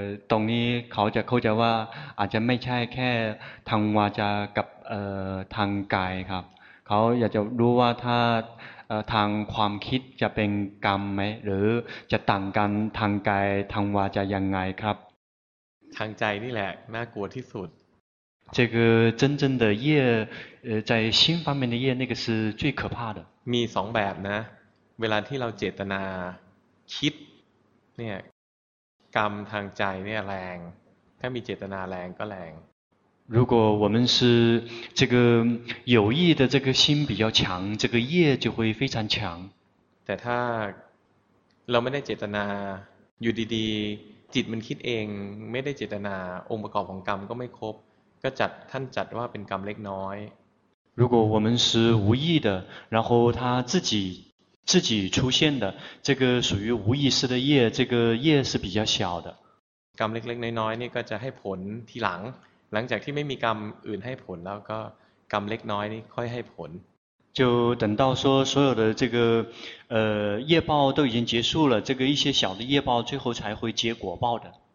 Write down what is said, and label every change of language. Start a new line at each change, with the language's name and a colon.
Thai: ตรงนี้เขาจะเข้าใจว่าอาจจะไม่ใช่แค่ทางวาจากับทางกายครับเขาอยากจะรู้ว่าถ้าทางความคิดจะเป็นกรรมไหมหรือจะต่างกันทางกายทางวาจายังไงครับ ทางใจนี่แหละน่ากลัวที่สุด
Chinese: 这个真正的业在心方面的业那个是最可怕的
Thai: มีสองแบบนะเวลาที่เราเจตนาคิดเนี่ยกรรมทางใจเนี่ยแรงถ้ามีเจตนาแรงก็แรง
Chinese: 如果我们是这个有意的这个心比较强这个业就会非常强
Thai: แต่ถ้าเราไม่ได้เจตนาอยู่ดีๆจิตมันคิดเองไม่ได้เจตนาองค์ประกอบของกรรมก็ไม่ครบก็จัดท่านจัดว่าเป็นกรรมเล็กน้อย
Chinese: 如果我们是无意的然后他自己出现的这个属于无意识的业这个业是比较小的
Thai: กรรมเล็กๆน้อยๆนี่ก็จะให้ผลทีหลังจากที่ไม่มีกรรมอื่นให้ผลแล้วก็กรรมเล็กน้อยนี่ค่อยให้ผล
Chinese: 就等到说所有的这个业报都已经结束了这个一些小的业报最后才会结果报的